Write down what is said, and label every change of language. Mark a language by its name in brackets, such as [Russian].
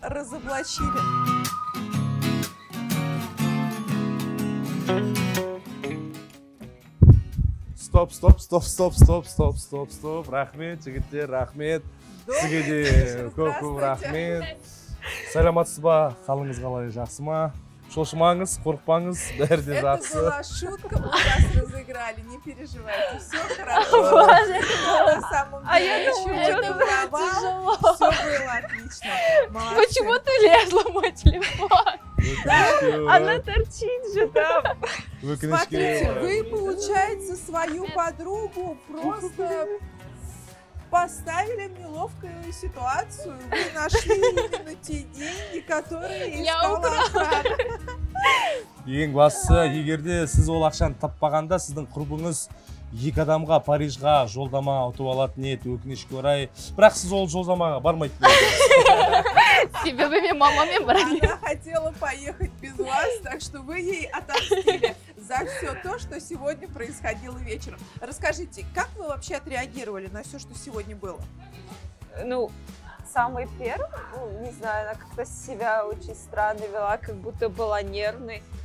[Russian] Ее разоблачили. Стоп, стоп, стоп, стоп, стоп, стоп, стоп, стоп. [Kazakh] Рахмет, жігіттер, рахмет. Сізге көп-көп рахмет. Саламатсыз ба? Қалыңыз қалай, жақсы ма? Шошымаңыз, қорықпаңыз, бәрі де жақсы. [Russian] Это была шутка, мы вас разыграли, не переживайте, все хорошо. Это было самым горячим. Это было тяжело. Все было отлично. Почему ты лезла в мой телефон? Она торчит же там. Смотрите, вы, получается, свою подругу просто поставили неловкую ситуацию. Вы нашли именно те деньги, которые я украла. [Kazakh] Ең басы, егерде сіз ол ақшаны таппағанда, сіздің құрбыңыз екі адамға Парижға жолдама ұтып алады, ниет өкінішке орай. Бірақ сіз ол жолдамаға бармайтын. Себебі мен мамамен барады. [Russian] Она хотела поехать без вас, так что вы ей отомстили за все то, что сегодня происходило вечером. Расскажите, как вы вообще отреагировали на все, что сегодня было? Ну, самый первый, не знаю, она как-то себя очень странно вела, как будто была нервной.